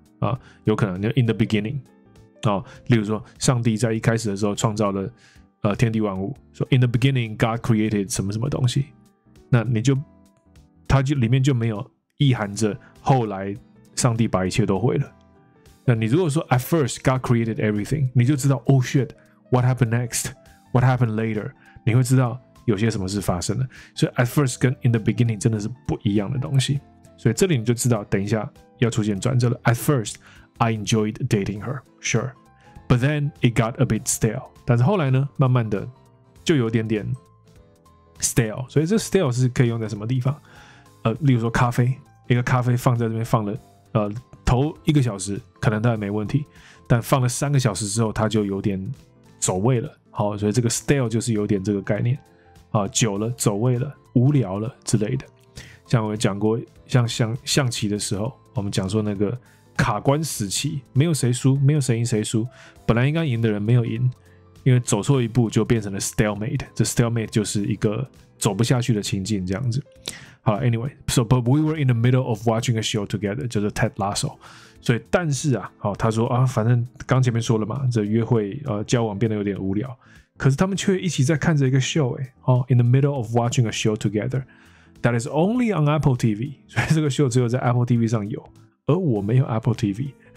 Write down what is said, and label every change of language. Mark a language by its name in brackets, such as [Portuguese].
[Chinese] 啊，有可能，就 in the beginning 啊，例如说上帝在一开始的时候创造了天地万物，说 [English] in the beginning God created [Chinese] 什么什么东西，那你就它就里面就没有意含着后来上帝把一切都毁了。那你如果说 [English] at first God created everything， [Chinese] 你就知道 [English] oh shit， what happened next， what happened later， [Chinese] 你会知道有些什么事发生的。所以 at first 跟 in the beginning 真的是不一样的东西。所以这里你就知道等一下要出现转折了。 [English] At first I enjoyed dating her， sure， but then it got a bit stale。 [Chinese] 但是后来呢，慢慢的就有点点 stale。所以这 stale 是可以用在什么地方？例如说咖啡，一个咖啡放在这边放了头一个小时可能都还没问题，但放了三个小时之后它就有点走味了。好，所以这个 stale 就是有点这个概念、久了走味了无聊了之类的。像我们讲过 象棋的时候，我们讲说那个卡关时期，没有谁输，没有谁赢谁输，本来应该赢的人没有赢，因为走错一步就变成了 stalemate。这 stalemate 就是一个走不下去的情境这样子。 [English] 好 ，Anyway， so but we were in the middle of watching a show together， 就是 Ted Lasso。 [Chinese] 所以，但是啊，好、哦，他说啊，反正刚前面说了嘛，这约会交往变得有点无聊。可是他们却一起在看着一个 [English] show， 哎、欸，哦 ，in the middle of watching a show together， that is only on Apple TV。 [Chinese] 所以这个 show 只有在 Apple TV 上有，而我没有 Apple TV。